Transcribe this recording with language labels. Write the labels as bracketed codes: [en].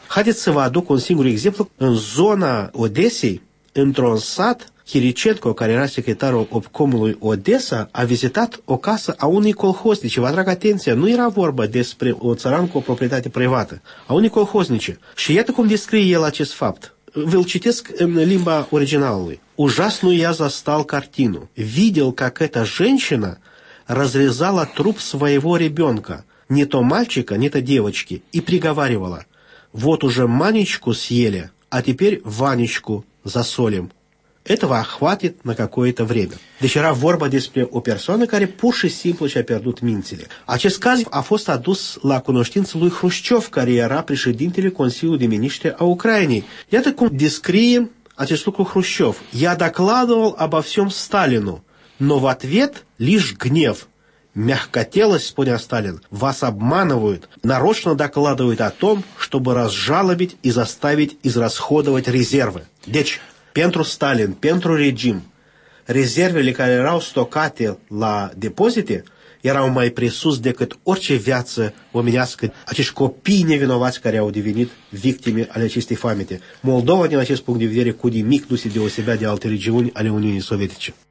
[ro] Haideți să vă aduc un singur exemplu. În zona Odesei, într-un sat, Chiricetco, care era secretarul obcomului Odessa, a vizitat o casă a unui colhoznice. Vă atrag atenția, nu era vorba despre o țăran cu o proprietate privată, a unui colhoznice. Și iată cum descrie el acest fapt. Vă-l citesc în limba originalului. [ru] Ужасную я застал картину. Видел, как эта женщина разрезала труп своего ребенка, не то мальчика, не то девочки, и приговаривала. Вот уже Манечку съели, а теперь Ванечку засолим. Этого хватит на какое-то время. [ro] Deci era vorba despre o persoană care pur și simplu și-a pierdut mințile. Acest caz a fost adus la cunoștință lui Hrușciov, care era președintele Consiliului de Miniștri a Ucrainei. Iată cum descrie acest lucru Hrușciov. [ru] Я докладывал обо всем Сталину, но в ответ лишь гнев. Мягкотелость, спонял Сталин, вас обманывают, нарочно докладывают о том, чтобы разжалобить и заставить израсходовать резервы. [ro] Deci, pentru Сталин, pentru regim, rezervele care erau stocate la depozite erau mai presus decât orice viață omenească. Acești copii nevinovați care au devenit victime ale acestei famete. Moldova, din acest punct de vedere, cu nimic nu se deosebea de alte regiuni ale Uniunii Sovietice.